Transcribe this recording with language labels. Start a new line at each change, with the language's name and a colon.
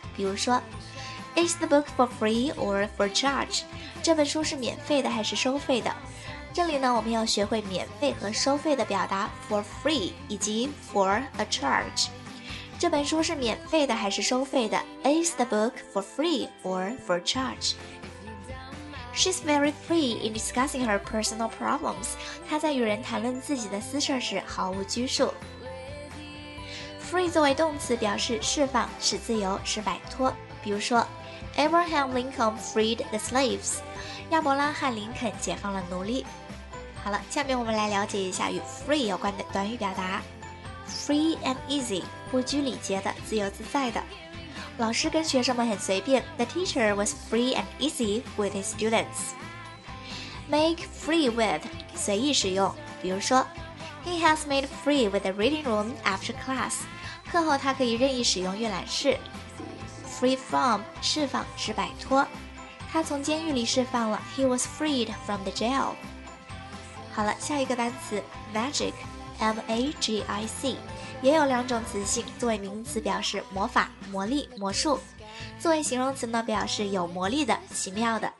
English: 比如说 Is the book for free or for charge?
Chinese: 这本书是免费的还是收费的？这里呢，我们要学会免费和收费的表达 for free 以及 for a charge。这本书是免费的还是收费的？
English: Is the book for free or for charge? She's very free in discussing her personal problems.
Chinese: 她在与人谈论自己的私事时毫无拘束。 Free 作为动词表示释放、使自由、使摆脱。
English: 比如说 ，Abraham Lincoln freed the slaves.
Chinese: 亚伯拉罕·林肯解放了奴隶。好了，下面我们来了解一下与 free 有关的短语表达。 Free and easy， 不拘礼节的、自由自在的。老师跟学生们很随便。
English: The teacher was free and easy with his students. Make free with,
Chinese: 随意使用。
English: 比如说 ,He has made free with the reading room after class.
Chinese: 课后他可以任意使用阅览室。 Free from, 释放是摆脱。他从监狱里释放了。
English: He was freed from the jail.
Chinese: 好了，下一个单词 magic M-A-G-I-C 也有两种词性，作为名词表示魔法、魔力、魔术，作为形容词呢表示有魔力的、奇妙的。